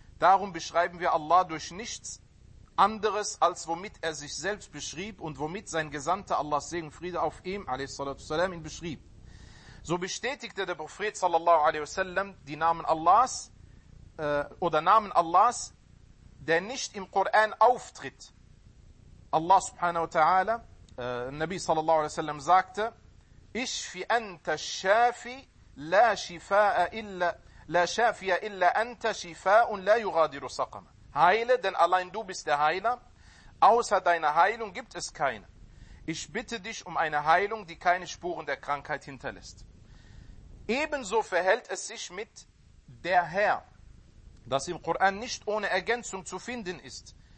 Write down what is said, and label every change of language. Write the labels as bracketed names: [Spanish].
[German] Darum beschreiben wir Allah durch nichts anderes, als womit er sich selbst beschrieb und womit sein Gesandter Allahs Segen Friede auf ihm, alaihi salatu wasalam, ihn beschrieb. So bestätigte der Prophet, sallallahu alaihi wasallam, die Namen Allahs, oder Namen Allahs, der nicht im Koran auftritt. [Arabic] Allah subhanahu wa ta'ala, Nabi sallallahu alaihi wasallam [German] sagte, [Arabic] اشفي أنت الشافي لا شفاء إلا لا شافي إلا أنت شفاء لا يغادر سقما. [German] Heile, denn allein du bist der Heiler. Außer deiner Heilung gibt es keine. Ich bitte dich um eine Heilung, die keine Spuren der Krankheit hinterlässt. Ebenso verhält es sich mit der Herr, das im Koran nicht ohne Ergänzung zu finden ist.